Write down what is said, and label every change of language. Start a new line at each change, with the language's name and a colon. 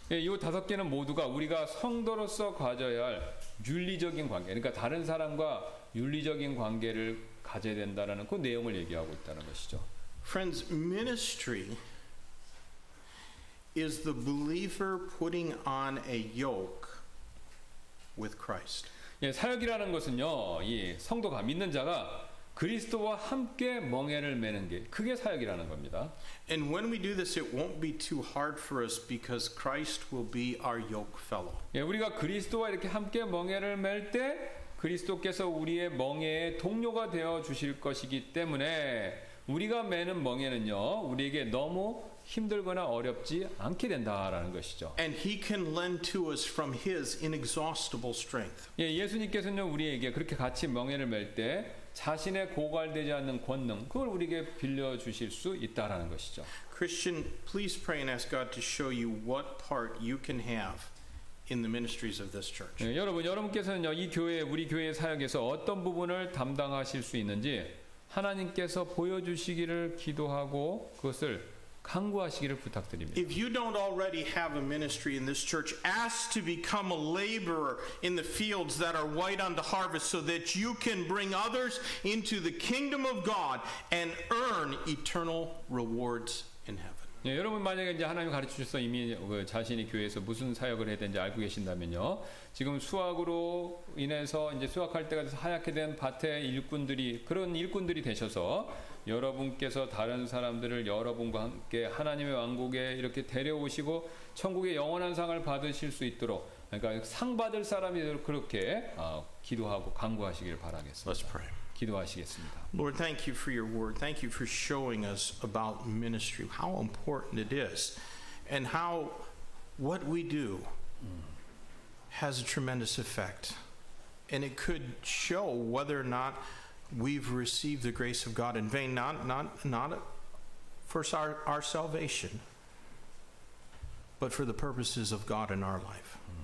Korean: 예, 이 다섯 개는 모두가 우리가 성도로서 가져야 할 윤리적인 관계. 그러니까 다른 사람과 윤리적인 관계를 가져야 된다라는 그 내용을 얘기하고 있다는 것이죠.
English: Friends, ministry is the believer putting on a yoke with Christ.
Korean: 예, 사역이라는 것은요, 이 성도가 믿는 자가 그리스도와 함께 멍에를 메는 게 그게 사역이라는 겁니다.
English: And when we do this, it won't be too hard for us because Christ will be our yoke fellow.
Korean: 예, 우리가 그리스도와 이렇게 함께 멍에를 맬 때 그리스도께서 우리의 멍에의 동료가 되어 주실 것이기 때문에 우리가 메는 멍에는요, 우리에게 너무 힘들거나 어렵지 않게 된다라는 것이죠.
English: And he can lend to us from his inexhaustible strength.
Korean: 예, 예수님께서는 우리에게 그렇게 같이 멍에를 멜 때 자신의 고갈되지 않는 권능 그걸 우리에게 빌려 주실 수 있다라는 것이죠.
English: Christian, please pray and ask God to show you what part you can have in the ministries of this church.
Korean: 예, 여러분께서는요, 이 교회 우리 교회의 사역에서 어떤 부분을 담당하실 수 있는지 하나님께서 보여 주시기를 기도하고 그것을 간구하시기를 부탁드립니다.
English: If you don't already have a ministry in this church, ask to become a laborer in the fields that are white unto harvest so that you can bring others into the kingdom of God and earn eternal rewards in heaven.
Korean: 예, 여러분 만약에 이제 하나님 가르쳐 주셔서 이미 그 자신이 교회에서 무슨 사역을 해야 되는지 알고 계신다면요. 지금 수확으로 인해서 이제 수확할 때가 돼서 하얗게 된 밭의 일꾼들이 그런 일꾼들이 되셔서 여러분께서 다른 사람들을 여러분과 함께 하나님의 왕국에 이렇게 데려오시고 천국의 영원한 상을 받으실 수 있도록 그러니까 상 받을 사람이 되도록 그렇게 기도하고 간구하시길 바라겠습니다.
English: Let's pray.
Korean: 기도하시겠습니다.
English: Lord, thank you for your word. Thank you for showing us about ministry, how important it is, and how what we do has a tremendous effect. And it could show whether or not we've received the grace of God in vain, not for our salvation, but for the purposes of God in our life.